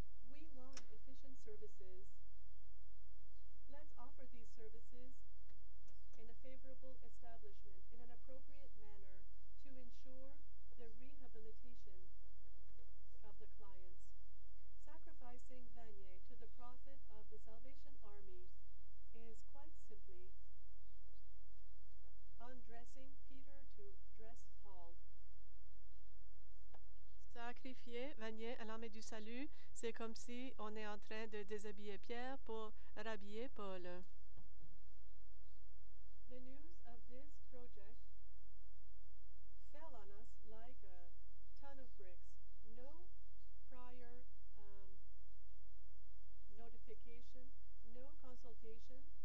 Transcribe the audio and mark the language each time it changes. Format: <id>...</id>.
<en>We want efficient services. Let's offer these services in a favorable establishment, in an appropriate manner, to ensure the rehabilitation of the clients. Sacrificing Vanier to the profit of the Salvation Army is quite simply undressing Peter to dress Paul.</en> <fr>Sacrifier Vanier à l'armée du salut, c'est comme si on est en train de déshabiller Pierre pour rhabiller Paul.</fr> <en>The news of this project fell on us like a ton of bricks. No prior notification, no consultation.</en>